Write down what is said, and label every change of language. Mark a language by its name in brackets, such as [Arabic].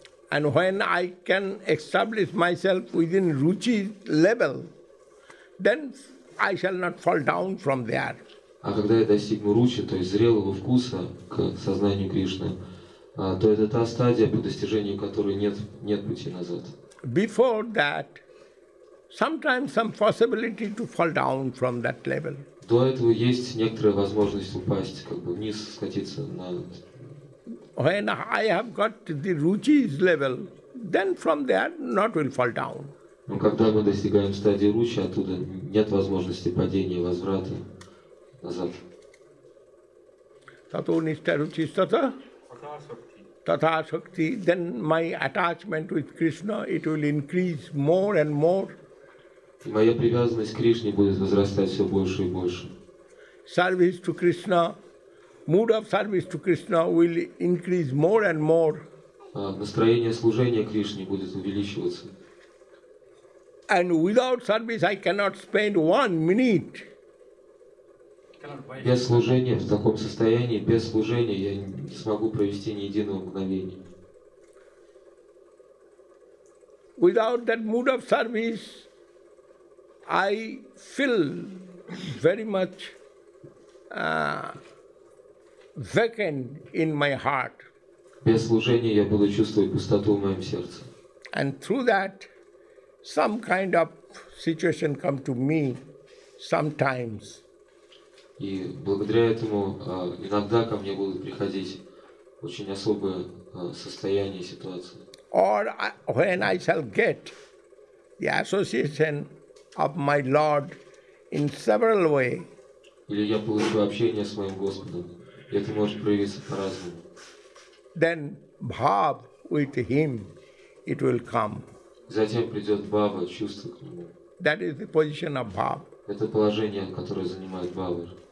[English] And when I can establish myself within Ruchi level, then I shall not fall down from there. [Russian] А когда я достигну Ruchi, то есть зрелого вкуса к сознанию Кришны, то это та стадия, по достижению которой нет пути назад. [English] Before that, sometimes some possibility to fall down from that level. [Russian] До этого есть некоторая возможность упасть, как бы вниз скатиться на. [English] When I have got the Ruchi's level, then from there not will fall down. [Russian] Но когда мы достигаем стадии Ruchi, оттуда нет возможности падения, возврата назад. [Sanskrit] Тато ништха Ruchi стата. Тата шакти. [English] Then my attachment with Krishna it will increase more and more. [Russian] И моя привязанность к Кришне будет возрастать все больше и больше. [English] Service to Krishna. Mood of service to Krishna will increase more and more. [Russian] Настроение служения Кришне будет увеличиваться. [English] And without service, I cannot spend 1 minute. [Russian] Без служения в таком состоянии, без служения я не смогу провести ни единого мгновения. [English] Without that mood of service, I feel very much. Vacant in my heart. [Russian] Без служения я буду чувствовать пустоту в моем сердце. [English] And through that, some kind of situation come to me sometimes. [Russian] И благодаря этому иногда ко мне будут приходить очень особые состояния, ситуации. [English] Or when I shall get the association of my Lord in several way. [Russian] Или я получу общение с моим Господом. Это может проявиться по-разному. [English] Then bhav with him, it will come. [Russian] Затем придет бхава, чувство к нему. [English] That is the position of bhav. [Russian] Это положение, которое занимает бхава.